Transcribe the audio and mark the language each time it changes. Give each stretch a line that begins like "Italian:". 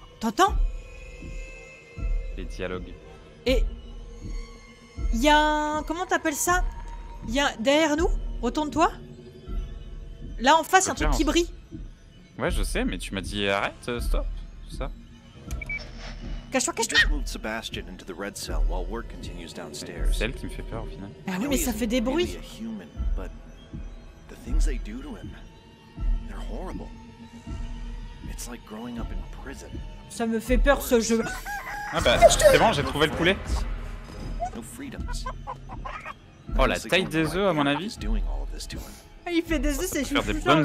French: T'entends ? Les dialogues. Et... Il y a un... Comment t'appelles ça ? Il y a... Derrière nous ? Retourne-toi. Là, en face, il y a un truc qui brille. Ouais, je sais, mais tu m'as dit arrête, stop, tout ça. Cache-toi, cache-toi.
English: Moved Sebastian into the red cell while work continues downstairs.
French: C'est elle qui me fait peur au final. Ah oui, mais ça fait des bruits.
English: Human, but the things they do to him, they're horrible. It's like growing up in prison.
French: Ça me fait peur ce jeu. Ah bah, c'est bon, j'ai trouvé le poulet.
English: No freedoms.
French: Oh, la taille des œufs à mon avis. Il fait des œufs, c'est juste ça le bordel.